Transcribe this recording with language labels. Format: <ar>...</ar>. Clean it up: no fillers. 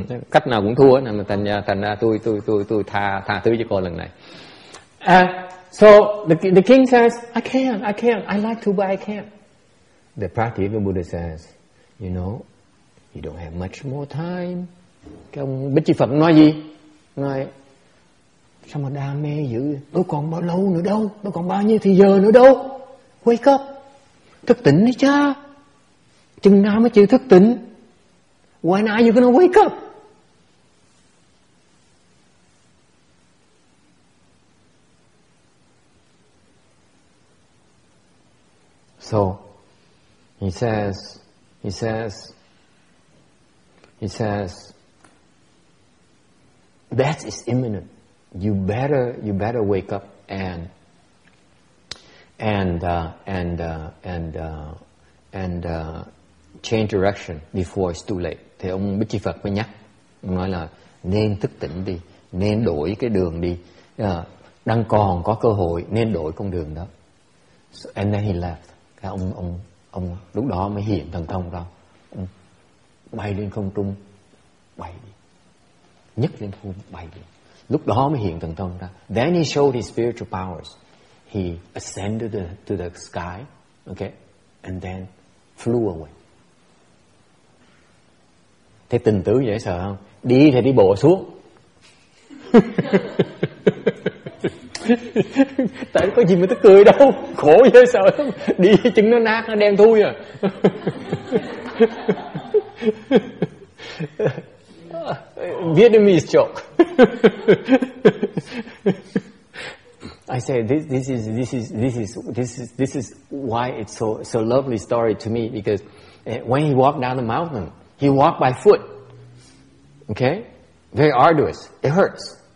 <vi>Cách nào cũng thua nên thành ra tôi tha thứ cho cô lần này.</vi> <en>So the king says I can't, I like to but I can't. The practical Buddha says, you know, you don't have much more time.</en> <vi>Cái ông Bích Chi Phật nói gì? Nói sao mà đam mê dữ, tôi còn bao lâu nữa đâu, tôi còn bao nhiêu thì giờ nữa đâu.</vi> <en>Wake up,</en> <vi>thức tỉnh đi cha, chừng nào mới chịu thức tỉnh.</vi> <en>When are you gonna wake up? So he says that is imminent. You better wake up and change direction before it's too late.</en> <vi>Thì ông Bích Chi Phật mới nhắc, ông nói là nên thức tỉnh đi, nên đổi cái đường đi, đang còn có cơ hội nên đổi con đường đó.</vi> <en>So, and then he left.</en> <vi>Cái ông lúc đó mới hiện thần thông ra, ông bay lên không trung, bay đi, nhấc lên không bay đi. Lúc đó mới hiện thần thông ra.</vi> <en>Then he showed his spiritual powers. He ascended to the sky, okay, and then flew away.</en> <vi>Thế tình tứ dễ sợ không? Đi thì đi bộ xuống. Tại có gì mà tức cười đâu. Khổ dễ sợ. Đi chân nó nát, nó đen thui à.</vi> <en>Vietnamese joke. I say this is why it's so lovely story to me, because when he walked down the mountain, he walked by foot. Okay? Very arduous. It hurts.</en>